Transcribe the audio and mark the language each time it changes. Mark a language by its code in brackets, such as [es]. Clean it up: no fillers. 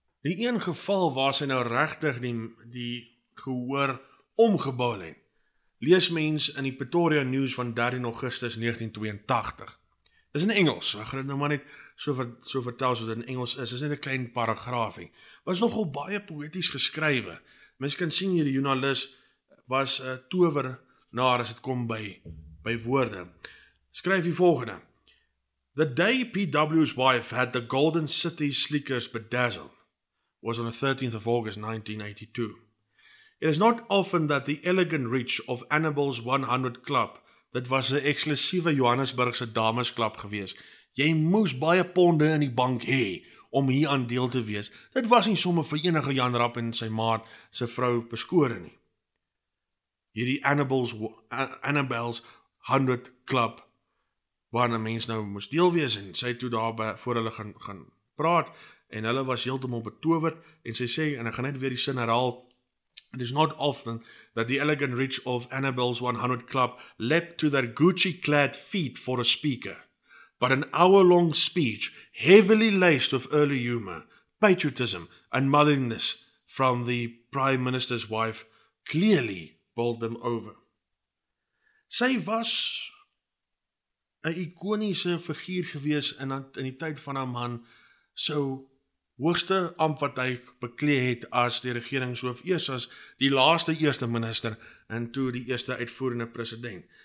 [af] Die een geval waar sy nou regtig die gehoor omgebou het, lees mens in die Pretoria News van 13 Augustus 1982. Is in Engels, ek gaan dit nou maar net so vertel soos dit in Engels is, is net 'n klein paragraafie. Was nogal baie poëties geskrywe. Mens kan sien hier die joernalis was 'n towernaar as het kom by woorde. Skryf die volgende. [en] The day PW's wife had the Golden City Sleekers bedazzled was on the 13th of August 1982. It is not often that the elegant reach of Annabelle's 100 Club, [af] dit was 'n eksklusiewe Johannesburgse damesklub gewees. Jy moes baie ponde in die bank hê om hier aan deel te wees. Dit was nie sommer vir enige Jan Rap en sy maat se vrou beskore nie. Hierdie Annabelle's 100 Club waarna mens nou moes deel wees en sy toe daar voor hulle gaan praat en hulle was heeltemal betowerd en sy sê, en ek gaan net weer die sin herhaal, [en] It is not often that the elegant rich of Annabelle's 100 Club leapt to their Gucci-clad feet for a speaker. But an hour-long speech, heavily laced with early humour, patriotism and motherliness from the Prime Minister's wife, clearly bowled them over. [af] Sy was 'n ikoniese figuur gewees in die tyd van haar man, so hoogste amp wat hy beklee het as die regeringshoof, eers as die laaste eerste minister en toe die eerste uitvoerende president.